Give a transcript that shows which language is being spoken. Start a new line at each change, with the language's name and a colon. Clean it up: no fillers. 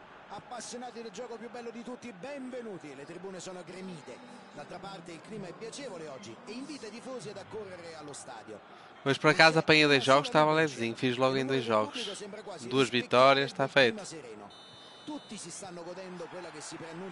Italian: Appassionati del gioco più bello di tutti, benvenuti. Le tribune sono gremite. D'altra parte il clima è piacevole oggi e invita i tifosi ad accorrere allo stadio.
Portuguese: Pois por acaso apanhei dois jogos, estava levezinho, fiz logo em dois jogos. Duas vitórias, está feito.
Italian: Tutti si stanno godendo quella che si preannuncia.